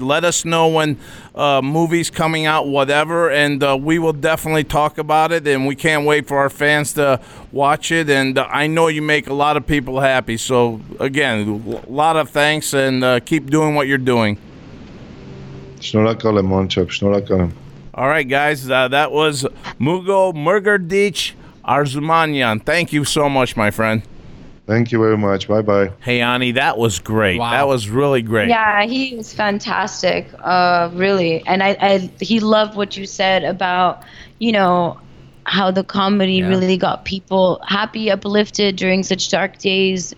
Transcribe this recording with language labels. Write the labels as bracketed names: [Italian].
[English] Let us know when movie's coming out, whatever, and we will definitely talk about it, and we can't wait for our fans to watch it, and I know you make a lot of people happy. So, again, a lot of thanks, and keep doing what you're doing. [Armenian] Շնորհակալ եմ, անչափ, շնորհակալ եմ. [English] All right, guys, that was Mugo Murgadich Arzumanyan. Thank you so much, my friend. Thank you very much. Bye-bye. Hey, Ani, that was great. Wow. That was really great. Yeah, he was fantastic, really. And I he loved what you said about, you know, how the comedy really got people happy, uplifted during such dark days.